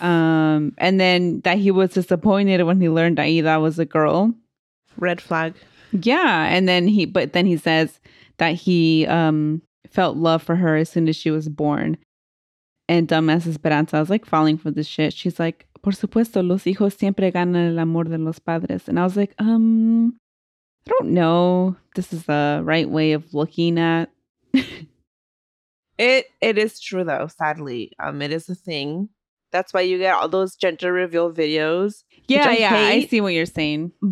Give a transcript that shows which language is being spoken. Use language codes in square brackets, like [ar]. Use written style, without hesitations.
[en] And then that he was disappointed when he learned Aida was a girl. Red flag. Yeah. And then he says that he felt love for her as soon as she was born. And dumbass Esperanza was like falling for this shit. She's like, [es] por supuesto, los hijos siempre ganan el amor de los padres. [en] And I was like, I don't know. This is the right way of looking at it. It is true, though, sadly. It is a thing. That's why you get all those gender reveal videos. Yeah, I see what you're saying.